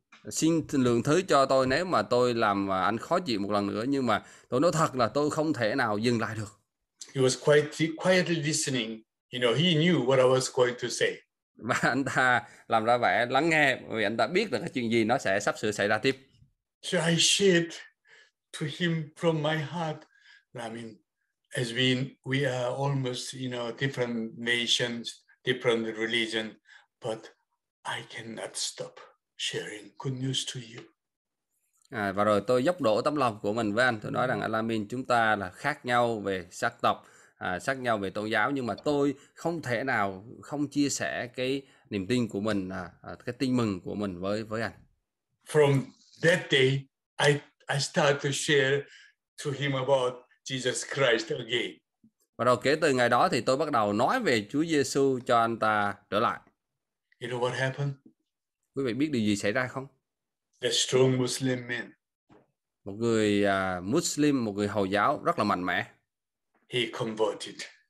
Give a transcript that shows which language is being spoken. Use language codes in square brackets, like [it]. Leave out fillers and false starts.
[vi] Xin lượng thứ cho tôi nếu mà tôi làm anh khó chịu một lần nữa, nhưng mà tôi nói thật là tôi không thể nào dừng lại được. [en] He was quietly listening. You know, he knew what I was going to say. [vi] Và anh ta làm ra vẻ lắng nghe vì anh ta biết là cái chuyện gì nó sẽ sắp sửa xảy ra tiếp. [en] So I shared to him from my heart. I mean, as we are almost, you know, different nations, different religion, but I cannot stop sharing good news to you. [vi] À, và rồi tôi dốc đổ tấm lòng của mình với anh. Tôi nói rằng Lamin, chúng ta là khác nhau về sắc tộc, khác nhau về tôn giáo, nhưng mà tôi không thể nào không chia sẻ cái niềm tin của mình, cái tin mừng của mình với anh. [en] From that day, I start to share to him about Jesus Christ again. [vi] Và rồi kể từ ngày đó thì tôi bắt đầu nói về Chúa Giêsu cho anh ta trở lại. [en] You know what happened? [vi] Quý vị biết điều gì xảy ra không? [en] A strong Muslim man. [vi] Một người Muslim, một người Hồi giáo rất là mạnh mẽ. [en] He converted.